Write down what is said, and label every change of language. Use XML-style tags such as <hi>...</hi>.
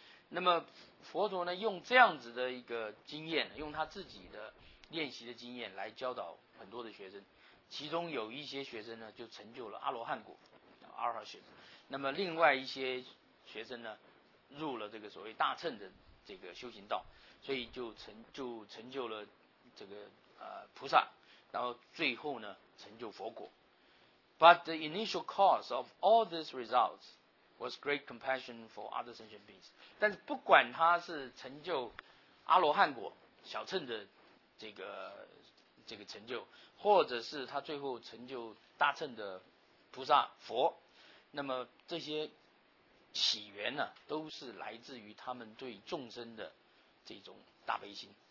<zh>那么，佛陀呢，用这样子的一个经验，用他自己的练习的经验来教导很多的学生，其中有一些学生呢，就成就了阿罗汉果。 Arahatship， 那么另外一些学生呢，入了这个所谓大乘的这个修行道，所以就成就了这个菩萨，然后最后呢成就佛果。</zh> <en>But the initial cause of all these results was great compassion for other sentient beings。</en> <zh>但是不管他是成就阿罗汉果小乘的这个成就，或者是他最后成就大乘的菩萨佛。那么这些起源呢、啊，都是来自于他们对众生的这种大悲心。</zh>